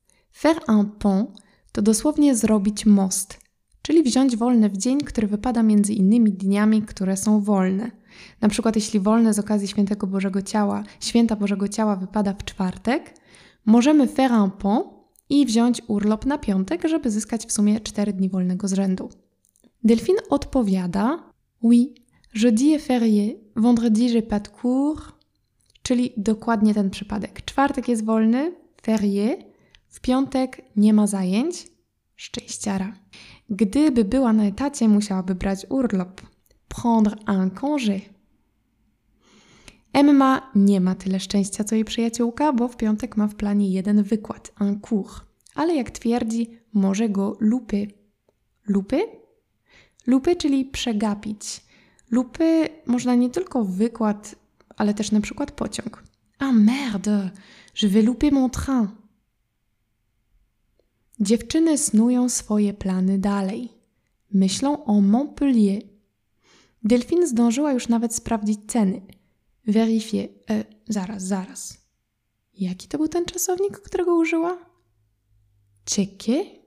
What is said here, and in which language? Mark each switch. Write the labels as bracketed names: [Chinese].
[Polish] Faire un pont to dosłownie zrobić most, czyli wziąć wolne w dzień, który wypada między innymi dniami, które są wolne. Na przykład jeśli wolne z okazji Świętego Bożego Ciała, Święta Bożego Ciała wypada w czwartek, możemy faire un pont i wziąć urlop na piątek, żeby zyskać w sumie 4 dni wolnego z rzędu. Delfin odpowiada. [French] Oui, jeudi est férié, vendredi j'ai pas de cours. [Polish] Czyli dokładnie ten przypadek. Czwartek jest wolny, férié, w piątek nie ma zajęć. Szczęściara. Gdyby była na etacie, musiałaby brać urlop. [French] Prendre un congé. [Polish] Emma nie ma tyle szczęścia co jej przyjaciółka, bo w piątek ma w planie jeden wykład, un cours. Ale jak twierdzi, może go loupé. Loupé? Loupé, czyli przegapić. Loupé można nie tylko wykład, ale też na przykład pociąg. [French] Ah merde, je vais louper mon train. [Polish] Dziewczyny snują swoje plany dalej. Myślą o Montpellier. Delphine zdążyła już nawet sprawdzić ceny. Vérifier. Zaraz. Jaki to był ten czasownik, którego użyła? Checker?